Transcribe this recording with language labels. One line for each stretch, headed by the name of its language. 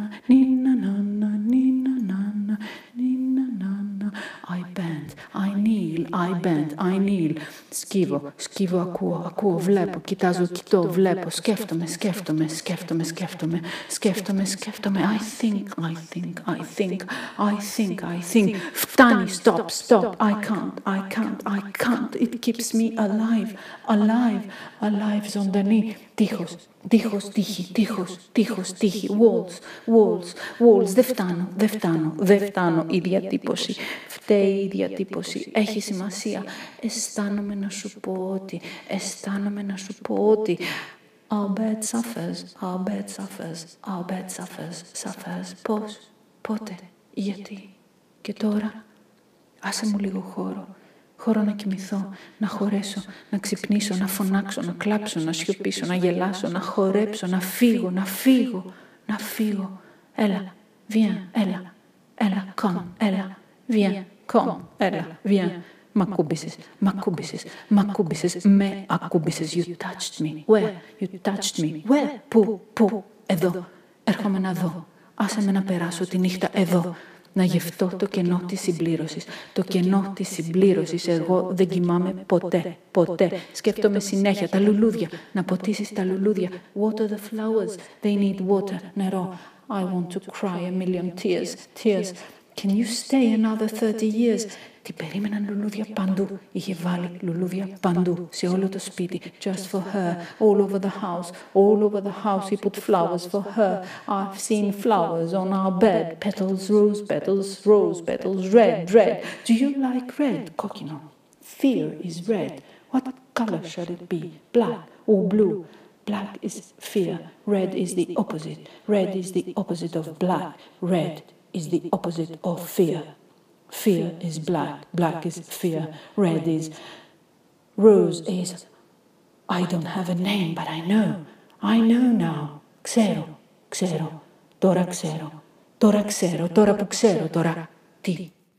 English: Nina, nana, nina, nana, nina, nana. I bend, I kneel, I bend, I kneel.
Greek: Σκύβω, σκύβω, ακούω, ακούω, βλέπω, κοιτάζω, κοιτώ, βλέπω, σκέφτομαι, σκέφτομαι, σκέφτομαι, σκέφτομαι, σκέφτομαι, σκέφτομαι.
English: I think, I think, I think, I think, I think.
Greek: Φτάνει,
English: stop, stop. I can't, I can't, I can't. It keeps me alive, alive, alive,
Greek: ζωντανή. Τείχος, τείχος, τείχη, τείχος, τείχος, τείχη.
English: Walls, walls, walls.
Greek: Δεν φτάνω, δεν φτάνω, δεν φτάνω. Η διατύπωση, φταίει η διατύπωση. Έχει σημασία. Αισθάνομαι να σου πω ότι, αισθάνομαι να σου πω ότι. Our bed suffers, our bed suffers, our bed suffers, suffers. Πώς, πότε, γιατί. Και τώρα, άσε μου λίγο χώρο. Χώρο να κοιμηθώ, να χωρέσω, να ξυπνήσω, να φωνάξω, να κλάψω, να σιωπήσω, να γελάσω, να χορέψω, να φύγω, να φύγω, να φύγω. Έλα, βιέν, έλα, έλα, κομ, έλα, βιέν, κομ, έλα, βιέν. Μ' ακούμπησες, μ' ακούμπησες, μ' ακούμπησες, με ακούμπησες.
English: You touched me, where,
Greek: you touched me, where, πού, πού, εδώ. Έρχομαι να δω, άσε με να περάσω τη νύχτα εδώ. να γευτώ το κενό της συμπλήρωσης. Το κενό της συμπλήρωσης, εγώ δεν κοιμάμαι ποτέ, ποτέ. Σκέφτομαι συνέχεια τα λουλούδια, να ποτίσεις τα λουλούδια.
English: Water the flowers, they need water,
Greek: νερό.
English: I want to cry a million tears, tears. Can you stay another 30 years?
Greek: Τι περίμεναν λουλούδια παντού. Είχε βάλει λουλούδια παντού, σε όλο το σπίτι.
English: Just for her, all over the house. All over the house he put flowers for her. I've seen flowers on our bed. Petals, rose petals, rose petals, red, red. Do you like red,
Greek: κόκκινο?
English: Fear is red. What color should it be? Black or blue? Black is fear. Red is the opposite. Red is the opposite of black. Red is the opposite of fear. Fear is black. Black is fear. Red is... Rose is... I don't have a name, but I know.
Greek: I know now. Ξέρω. Ξέρω. Τώρα ξέρω. Τώρα ξέρω. Τώρα που ξέρω. Τώρα τι